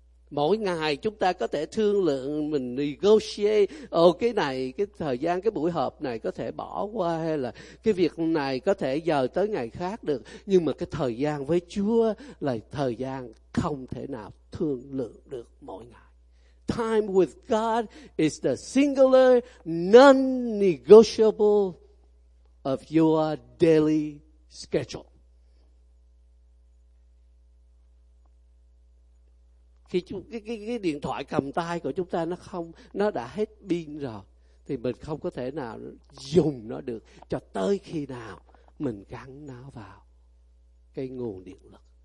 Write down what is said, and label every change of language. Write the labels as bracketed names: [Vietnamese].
[Vietnamese] Mỗi ngày chúng ta có thể thương lượng, mình negotiate, cái này, cái thời gian, cái buổi họp này có thể bỏ qua, hay là cái việc này có thể giờ tới ngày khác được. Nhưng mà cái thời gian với Chúa là thời gian không thể nào thương lượng được mỗi ngày. [English] Time with God is the singular, non-negotiable of your daily schedule. [Vietnamese] Khi cái điện thoại cầm tay của chúng ta nó đã hết pin rồi, thì mình không có thể nào dùng nó được cho tới khi nào mình gắn nó vào cái nguồn điện lực.